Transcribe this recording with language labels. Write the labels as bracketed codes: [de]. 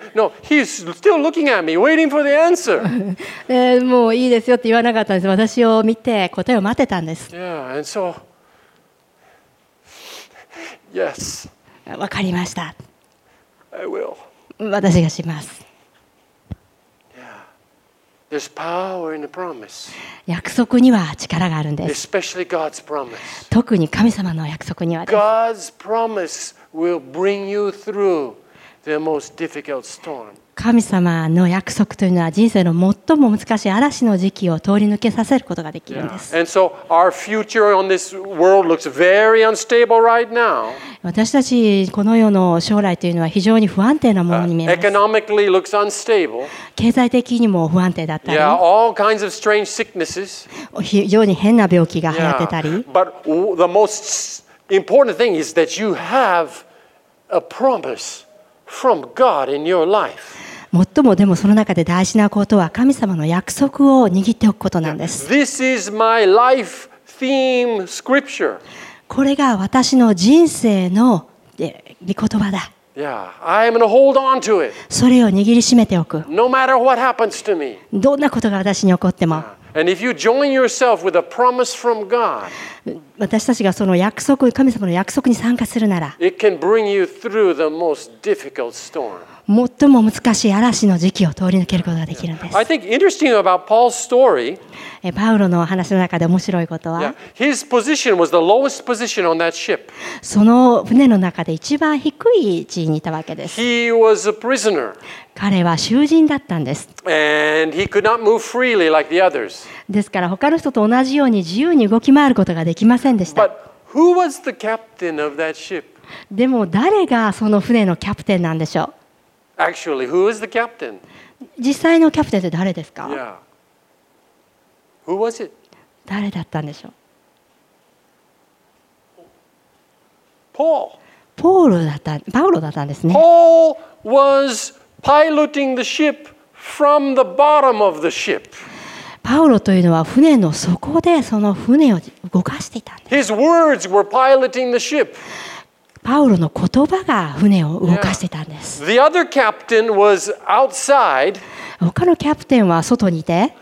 [en] No, he's still looking at me, waiting for the answer. [ja] もういいですよって言わなかったんです。私を見て答えを待ってたんです。 [en] Yeah, and so, yes. [ja] わかりました。 [en] I will. [ja] 私がします。 [en] There's power in the promise. [ja] 約束には力があるんです。 [en] Especially God's promise. [ja] 特に神様の約束にはです。 [en] God's promise will bring you through the most difficult storm. [ja] 神様の約束というのは人生の最も難しい嵐の時期を通り抜けさせることができるんです。 [en] And so our future on this world looks very unstable right now. [ja] 私たちこの世の将来というのは非常に不安定なものに見えます。 [en] Economically looks unstable. [ja] 経済的にも不安定だったり、 [en] yeah, all kinds of strange sicknesses. [ja] 非常に変な病気が流行ってたり、 [en] yeah. But the most important thing is that you have a promise from God in your life. [ja] 最もでもその中で大事なことは神様の約束を握っておくことなんです。 [en] Yeah. This is my life theme scripture. [ja] これが私の人生の御言葉だ。 [en] Yeah, I am gonna hold on to it. [ja] それを握りしめておく。 [en] No matter what happens to me. [ja] どんなことが私に起こっても。 [en] And if you join yourself with a promise from God, [ja] 私たちがその約束、神様の約束に参加するなら、 [en] it can bring you through the most difficult storm. [ja] 最も難しい嵐の時期を通り抜けることができるんです。 [en] I think interesting about Paul's story. [ja] パウロの話の中で面白いことは、 [en] yeah. His position was the lowest position on that ship. [ja] その船の中で一番低い位置にいたわけです。 [en] He was a prisoner. [ja] 彼は囚人だったんです。 [en] And he could not move freely like the others. [ja] ですから他の人と同じように自由に動き回ることができませんでした。 [en] But who was the captain of that ship? [ja] でも誰がその船のキャプテンなんでしょう? [en] Actually, who is the captain? [ja] 実際のキャプテンって誰ですか? [en] Yeah. Who was it? [ja] 誰だったんでしょう? [en] Paul. [ja] Paul だった、パウロだったんですね。 [en] Paul was piloting the ship from the bottom of the ship. [ja] パウロというのは船の底でその船を動かしていたんです。 [en] His words were piloting the ship. [ja] パウロの言葉が船を動かしていたんです。 [en] The other captain was outside. [ja] 他のキャプテンは外にいて